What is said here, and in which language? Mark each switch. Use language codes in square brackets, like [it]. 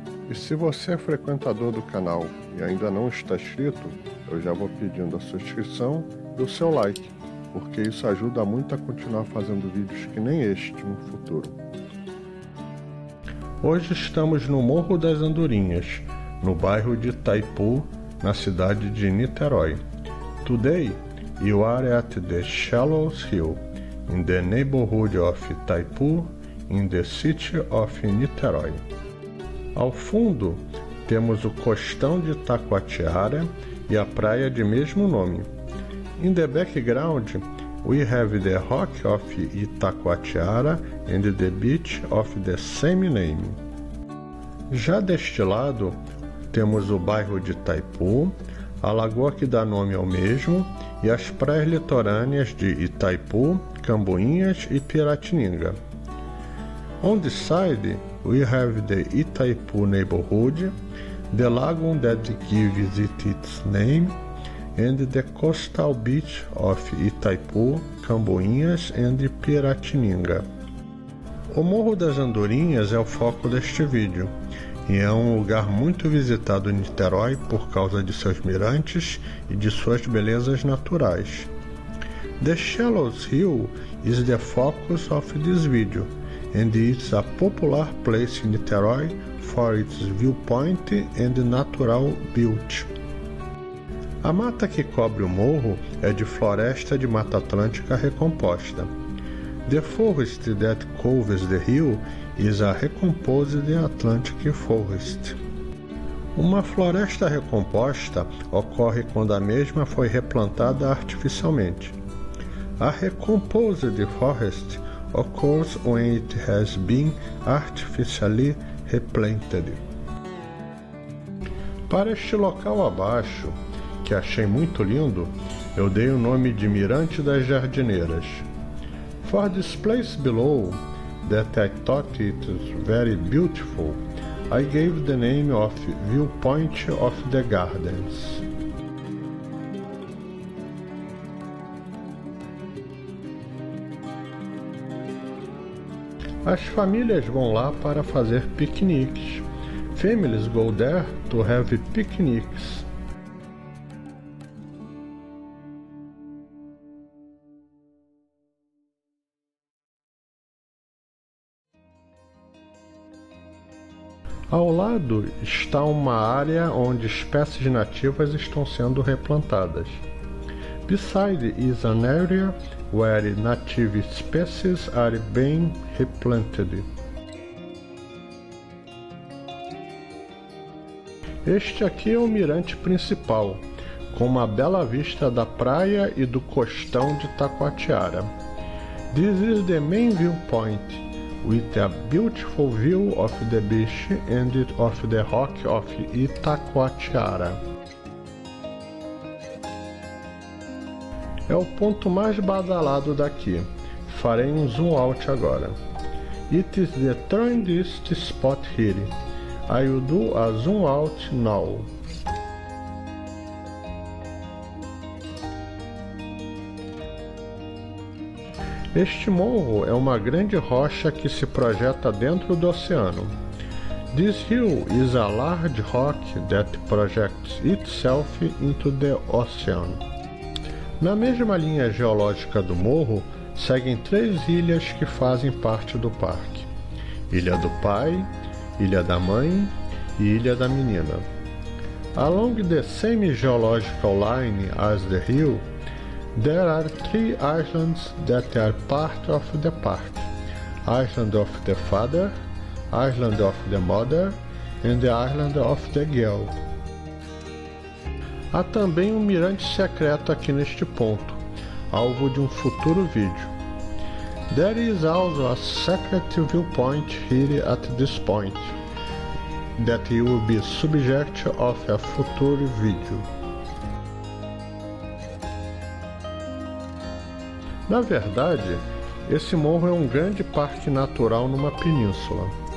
[pt] E se você é frequentador do canal e ainda não está inscrito, eu já vou pedindo a sua inscrição e o seu like, porque isso ajuda muito a continuar fazendo vídeos que nem este no futuro. Hoje estamos no Morro das Andorinhas, no bairro de Itaipu, na cidade de Niterói. [en] Today, you are at the Shallows Hill, in the neighborhood of Itaipu, in the city of Niterói. [pt] Ao fundo, temos o Costão de Taquatiara e a praia de mesmo nome. [en] In the background, we have the Rock of Itaquatiara and the beach of the same name. [pt] Já deste lado, temos o bairro de Itaipu, a lagoa que dá nome ao mesmo, e as praias litorâneas de Itaipu, Cambuinhas e Piratininga. [en] On the side, we have the Itaipu neighborhood, the lagoon that gives it its name, and the coastal beach of Itaipu, Cambuinhas and Piratininga. [pt] O Morro das Andorinhas é o foco deste vídeo, e é um lugar muito visitado em Niterói por causa de seus mirantes e de suas belezas naturais. [en] The Shallows Hill is the focus of this video, and it's a popular place in Niterói for its viewpoint and natural beauty. [pt] A mata que cobre o morro é de floresta de mata atlântica recomposta. [en] The forest that covers the hill is a recomposed Atlantic forest. [pt] Uma floresta recomposta ocorre quando a mesma foi replantada artificialmente. [en] A recomposed forest occurs when it has been artificially replanted. [pt] Para este local abaixo, que achei muito lindo, eu dei o nome de Mirante das Jardineiras. [en] For this place below, that I thought it was very beautiful, I gave the name of Viewpoint of the Gardens. [pt] As famílias vão lá para fazer piqueniques. [en] Families go there to have picnics. [pt] Ao lado está uma área onde espécies nativas estão sendo replantadas. [en] Beside is an area where native species are being replanted. [pt] Este aqui é o mirante principal, com uma bela vista da praia e do costão de Taquatiara. [en] This is the main viewpoint, with a beautiful view of the beach and of the rock of Itaquatiara. [pt] É o ponto mais badalado daqui. Farei um zoom out agora. [en] It is the trendiest spot here. I will do a zoom out now. [pt] Este morro é uma grande rocha que se projeta dentro do oceano. [en] This hill is a large rock that projects itself into the ocean. [pt] Na mesma linha geológica do morro, seguem três ilhas que fazem parte do parque: Ilha do Pai, Ilha da Mãe e Ilha da Menina. [en] Along the same geological line as the hill, there are three islands that are part of the park: Island of the Father, Island of the Mother, and the Island of the Girl. [pt] Há também um mirante secreto aqui neste ponto, alvo de um futuro vídeo. [en] There is also a secret viewpoint here at this point, that will be subject of a future video. [pt] Na verdade, esse morro é um grande parque natural numa península.